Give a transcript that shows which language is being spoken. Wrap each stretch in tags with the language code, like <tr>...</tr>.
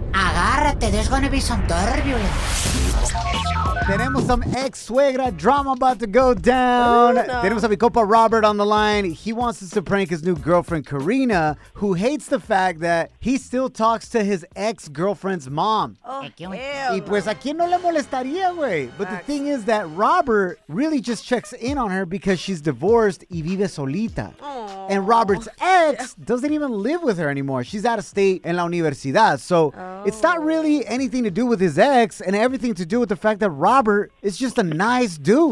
<es>Agárrate,</es> <en>there's gonna be some turbulence.</en> <es>Tenemos</es> <en>some ex-suegra drama about to go down. Oh, no.</en> <es>Tenemos a mi copa Robert</es> <en>on the line. He wants us to prank his new girlfriend, Karina, who hates the fact that he still talks to his ex-girlfriend's mom. Oh,</en> <es>y pues, ¿a quién no le molestaría, güey?</es> <en>But the thing is that Robert really just checks in on her because she's divorced</en> <es>y vive solita. Oh.</es> <en>And Robert's ex doesn't even live with her anymore. She's out of state</en> <es>en la universidad.</es> <en>So it's not really anything to do with his ex and everything to do with the fact that Robert is just a nice dude.</en>